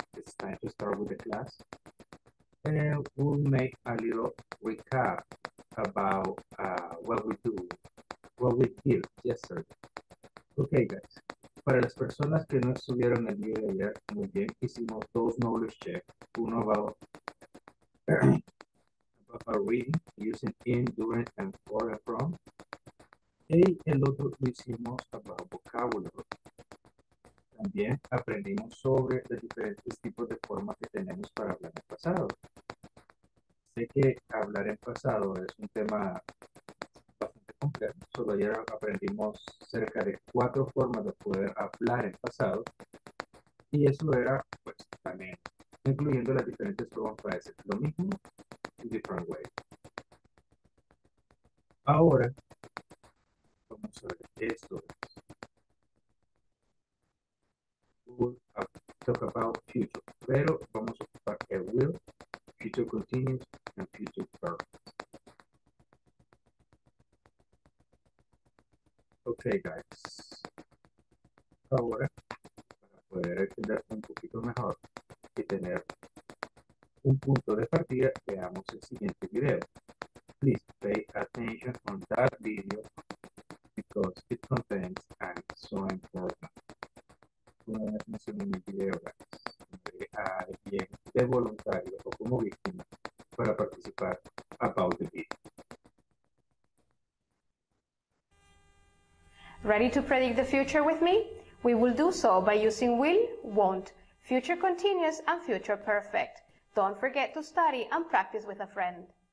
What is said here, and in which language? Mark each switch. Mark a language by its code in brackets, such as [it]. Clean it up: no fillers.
[en] It's time to start with the class. We'll make a little recap about what we do, what we did yesterday. Okay, guys. [es] Para las personas que no estuvieron el día de ayer, muy bien, hicimos dos [en] knowledge checks. [es] Uno [en] about, about reading, using in, during, and for and from. [es] Y el otro lo hicimos [en] about vocabulary. [es] También aprendimos sobre los diferentes tipos de formas que tenemos para hablar en pasado. Sé que hablar en pasado es un tema bastante complejo. Solo ayer aprendimos cerca de cuatro formas de poder hablar en pasado. Y eso era, pues, también incluyendo las diferentes formas para decir lo mismo [en] in different way. [es] Ahora, vamos a ver esto. [en] We'll talk about future, [es] pero vamos a ocupar el [en] will, future continuous, and future perfect. Okay, guys. [es] Ahora, para poder entender un poquito mejor y tener un punto de partida, veamos el siguiente video. [en] Please pay attention on that video because it contains and it's so important. [es] Una vez mencioné en mi video, guys, a alguien de voluntario o como víctima para participar [en] about the video. Ready to predict the future with me? We will do so by using will, won't, future continuous, and future perfect. Don't forget to study and practice with a friend.